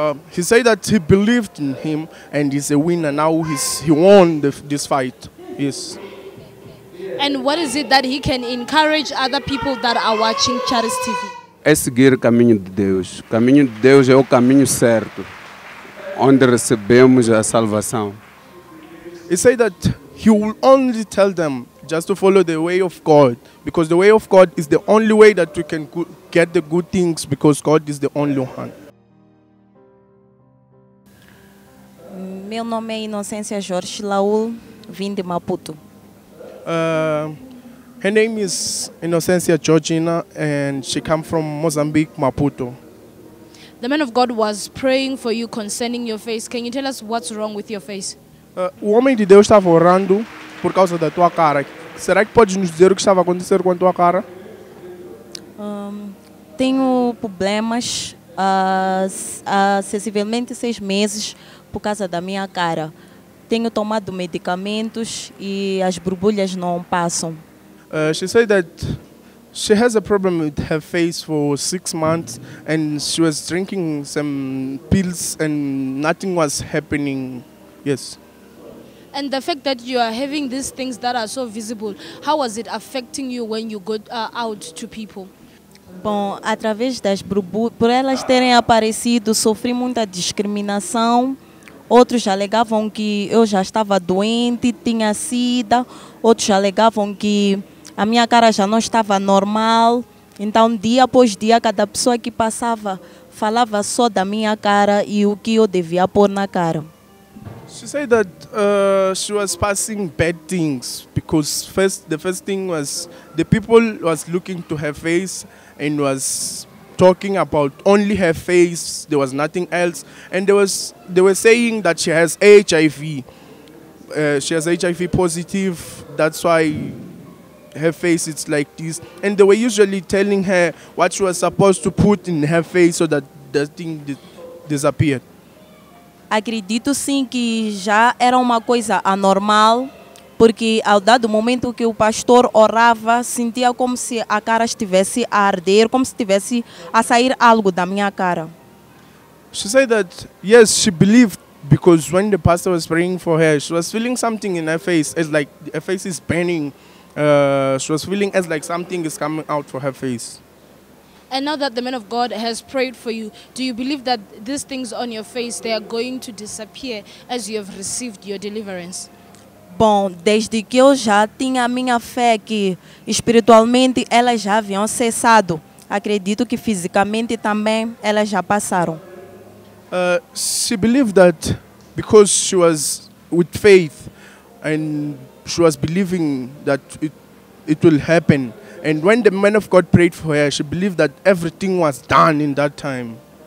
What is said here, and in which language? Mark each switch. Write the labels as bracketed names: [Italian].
[English] He said that he believed in him and he's a winner. Now he won this fight. Yes. And what is it that he can encourage other people that are watching Charis TV? [Portuguese] É seguir o caminho de Deus. O caminho de Deus é o caminho certo, onde recebemos a salvação. [English] He said that he will only tell them just to follow the way of God, because the way of God is the only way that we can get the good things, because God is the only one. [Portuguese] Meu nome é Inocência Jorge Laul, vim de Maputo. [English] Her name is Inocencia Georgina, and she comes from Mozambique, Maputo. The man of God was praying for you concerning your face. Can you tell us what's wrong with your face? [Portuguese] O homem de Deus estava orando por causa da tua cara. Será que podes nos dizer o que estava acontecendo com a tua cara? Tenho problemas há sensivelmente 6 meses por causa da minha cara. Tenho tomado medicamentos e as borbulhas não passam. [English] She said that she has a problem with her face for 6 months and she was drinking some pills and nothing was happening. Yes. And the fact that you are having these things that are so visible, how was it affecting you when you go out to people? [Portuguese] Bom, através das borbulhas, por elas terem aparecido, sofri muita discriminação. Outros alegavam que eu já estava doente, tinha sida. Outros alegavam que a minha cara já não estava normal. Então, dia após dia, cada pessoa que passava falava só da minha cara e o que eu devia pôr na cara. [English] She said that she was passing bad things because the first thing was the people was looking to her face and was talking about only her face. There was nothing else, and they were saying that she has HIV. She has HIV positive. That's why her face is like this, and they were usually telling her what she was supposed to put in her face so that the thing disappeared. [Portuguese] Acredito sim que já era uma coisa anormal, porque ao dado momento que o pastor orava, sentia como se a cara estivesse a arder, como se estivesse a sair algo da minha cara. [English] She said that yes, she believed, because when the pastor was praying for her, she was feeling something in her face. It's like her face is burning. She was feeling as like something is coming out for her face. And now that the man of God has prayed for you, do you believe that these things on your face, they are going to disappear as you have received your deliverance? [Portuguese] Bom, desde que eu já tinha minha fé que espiritualmente elas já haviam cessado, acredito que fisicamente também elas já passaram. [English] She believed that because she was with faith and she was believing that it will happen. And when the man of God prayed for her, she believed that everything was done in that time.